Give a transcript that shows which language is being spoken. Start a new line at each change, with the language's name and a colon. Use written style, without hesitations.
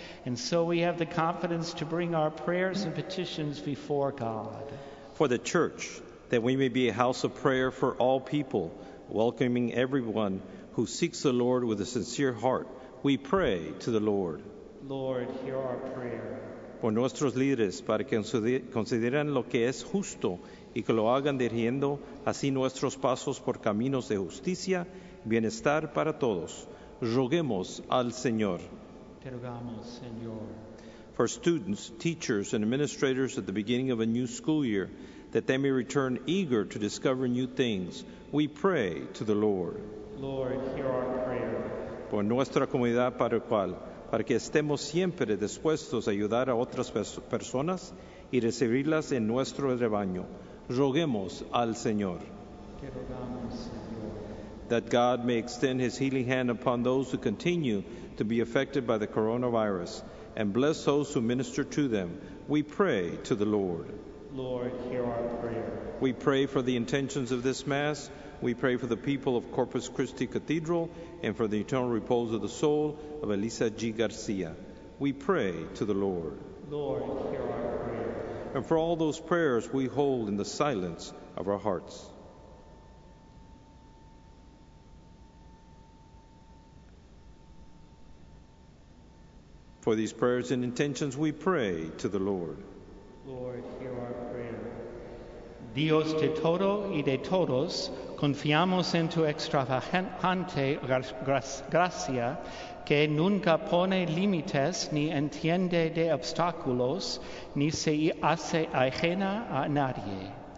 English: And so we have the confidence to bring our prayers and petitions before God. For the church, that we may be a house of prayer for all people, welcoming everyone who seeks the Lord with a sincere heart, we pray to the Lord. Lord, hear our prayer.
Spanish: Por nuestros líderes, para que consideren lo que es justo y que lo hagan dirigiendo así nuestros pasos por caminos de justicia, bienestar para todos. Roguemos al Señor. Te rogamos, Señor.
English: For students, teachers, and administrators at the beginning of a new school year, that they may return eager to discover new things, we pray to the Lord. Lord, hear our prayer.
Spanish: Por nuestra comunidad parroquial, para que estemos siempre dispuestos a ayudar a otras personas y recibirlas en nuestro rebaño. Roguemos al Señor.
English: That God may extend his healing hand upon those who continue to be affected by the coronavirus and bless those who minister to them. We pray to the Lord. Lord, hear our prayer. We pray for the intentions of this Mass. We pray for the people of Corpus Christi Cathedral and for the eternal repose of the soul of Elisa G. Garcia. We pray to the Lord. Lord, hear our prayer. And for all those prayers we hold in the silence of our hearts. For these prayers and intentions, we pray to the Lord. Lord, hear our prayer.
Spanish: Dios de todo y de todos, confiamos en tu extravagante gracia, que nunca pone límites ni entiende de obstáculos, ni se hace ajena a nadie.